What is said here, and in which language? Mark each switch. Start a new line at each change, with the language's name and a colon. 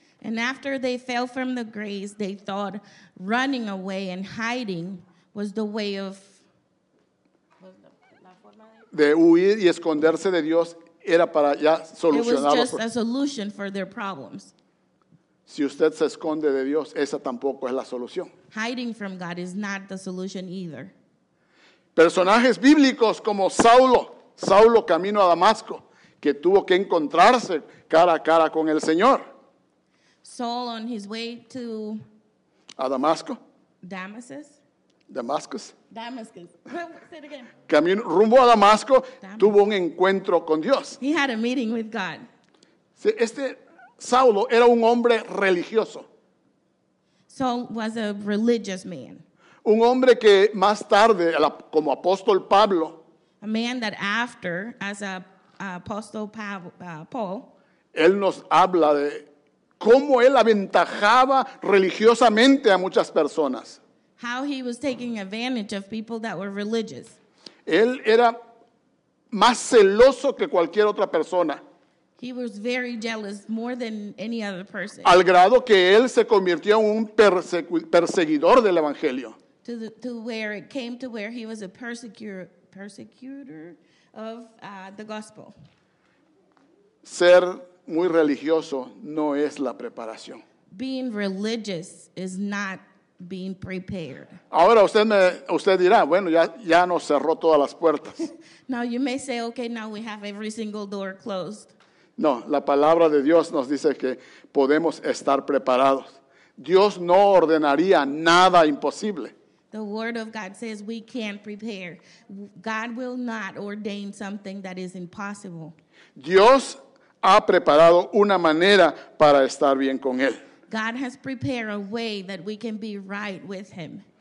English: And after they fell from the grace, they thought running away and hiding was the way of
Spanish: de huir y esconderse de Dios era para ya solucionarlo.
English: It was just a solution for their problems.
Spanish: Si usted se esconde de Dios, esa tampoco es la solución.
English: Hiding from God is not the solution either.
Spanish: Personajes bíblicos como Saulo camino a Damasco, que tuvo que encontrarse cara a cara con el Señor.
English: Saul on his way to
Spanish: a Damasco.
English: Damascus. Say it again.
Spanish: Camino rumbo a Damasco, tuvo un encuentro con Dios.
English: He had a meeting with God.
Spanish: Este Saulo era un hombre religioso.
English: Saul was a religious man.
Spanish: Un hombre que más tarde, como apóstol Pablo,
English: a man that after, as a apostle Paul,
Spanish: él nos habla de cómo él aventajaba religiosamente a muchas personas.
English: How he was taking advantage of people that were religious.
Spanish: Él era más celoso que cualquier otra persona.
English: He was very jealous, more than any other person.
Spanish: Al grado que él se convirtió en un perseguidor del evangelio.
English: To where he was a persecutor of the gospel.
Spanish: Ser muy religioso no es la preparación.
English: Being religious is not being prepared.
Spanish: Ahora usted dirá, bueno, ya nos cerró todas las puertas.
English: Now you may say, okay, now we have every single door closed.
Spanish: No, la palabra de Dios nos dice que podemos estar preparados. Dios no ordenaría nada imposible.
English: The word of God says we can't prepare. God will not ordain something that is impossible.
Spanish: Dios ha preparado una manera para estar bien con Él.
English: God has prepared a way that we can be right with Him.